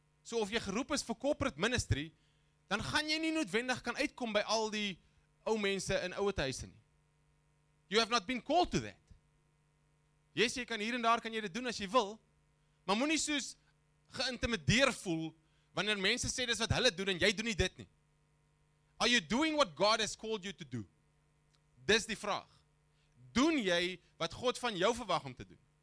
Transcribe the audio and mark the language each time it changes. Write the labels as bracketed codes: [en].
[af] So of jy geroep is vir corporate ministry, dan gaan jy nie noodwendig kan uitkom by al die ou mense in ouer huise nie. [en] You have not been called to that. [af] Yes, jy kan hier en daar kan jy dit doen as jy wil. Maar moenie soos geïntimideer voel wanneer mense sê dis wat hulle doen en jy doen nie dit nie. [en] Are you doing what God has called you to do? [af] Dis die vraag. Doen jy wat God van jou verwag om te doen?